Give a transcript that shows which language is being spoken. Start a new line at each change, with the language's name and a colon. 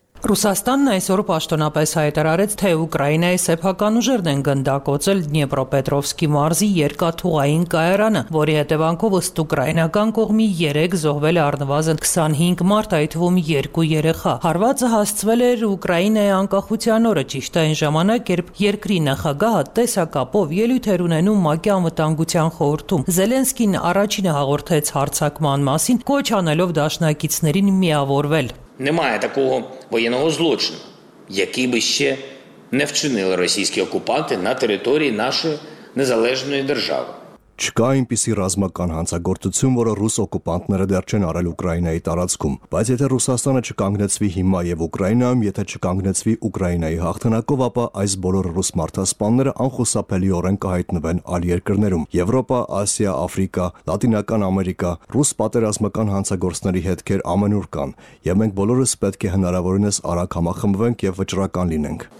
Armenian: Ռուսաստանն այսօր պաշտոնապես հայտարարեց, թե Ուկրաինայի սեփական ուժերն են գնդակոծել Դնեպրոպետրովսկի մարզի երկաթուղային կայարանը, որի հետևանքով ըստ ուկրաինական կողմի 3 զոհվել է առնվազն 25 մարդ, այդ թվում 2 երեխա։ Հարվածը հասցվել էր Ուկրաինայի անկախության օրը, ճիշտ այն ժամանակ, երբ երկրի նախագահը տեսակապով ելույթ էր ունենում ՄԱԿ-ի անվտանգության խորհրդում։ Զելենսկին առաջինը հաղորդեց հարձակման մասին, կոչ անելով դաշնակիցներին միավորվել։
Ukrainian: Немає такого воєнного злочину, який би ще не вчинили російські окупанти на території нашої незалежної держави.
Armenian: Չկա այնպիսի ռազմական հանցագործություն, որը ռուս օկուպանտները դեռ չեն արել Ուկրաինայի տարածքում, բայց եթե Ռուսաստանը չկանգնեցվի հիմա եւ Ուկրաինայում, եթե չկանգնեցվի Ուկրաինայի հաղթանակով, ապա այս բոլոր ռուս մարդասպանները անխուսափելիորեն կհայտնվեն այլ երկրներում՝ Եվրոպա, Ասիա, Աֆրիկա, Լատինական Ամերիկա։ Ռուս պատերազմական հանցագործների հետքեր ամենուր կան, եւ մենք բոլորս պետք է հնարավորինս արագ համախմբվենք եւ վճռական լինենք։